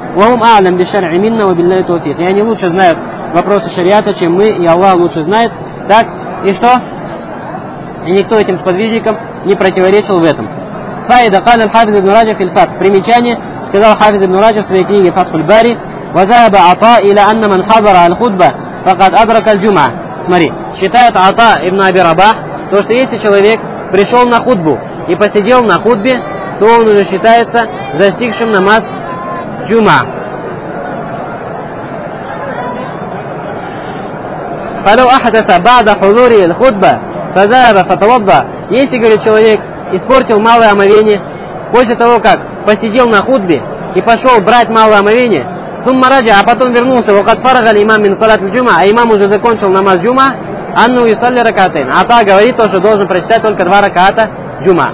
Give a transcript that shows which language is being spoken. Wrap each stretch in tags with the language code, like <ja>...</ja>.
<ru>«Ваум аалам бишар'и минна ва биллахи тауфик». И они лучше знают вопросы шариата, чем мы, и Аллах лучше знает. Так, и что? И никто этим сподвижникам не противоречил в этом. «Фаида кана хафиз ибн раджаб фил фатх». Примечание, сказал хафиз ибн раджаб в своей книге «Фатхуль Бари».</ru> <ar>وذهب عطاء الى ان من حضر الخطبه فقد ادرك الجمعه.</ar> <ru>Смотри, считает Ата ибн Аби Рабах, то что если человек пришел на хутбу и посидел на хутбе, то он уже считается застигшим намаз джума.</ru> <ar>فلو احدث بعد حضور الخطبه فذهب فتوضا.</ar> <ru>Если, говорит, человек испортил малое омовение после того, как посидел на хутбе и пошел брать малое омовение,</ru> <ar>ثم رجع,</ar> <ru>а потом вернулся,</ru> <ar>وقد فرغ الإمام من صلاة الجمعة,</ar> <ru>а имам уже закончил намаз джума,</ru> <ar>أنه يصلي ركعتين.</ar> <ru>Ата говорит то, что должен прочитать только два раката джума.</ru>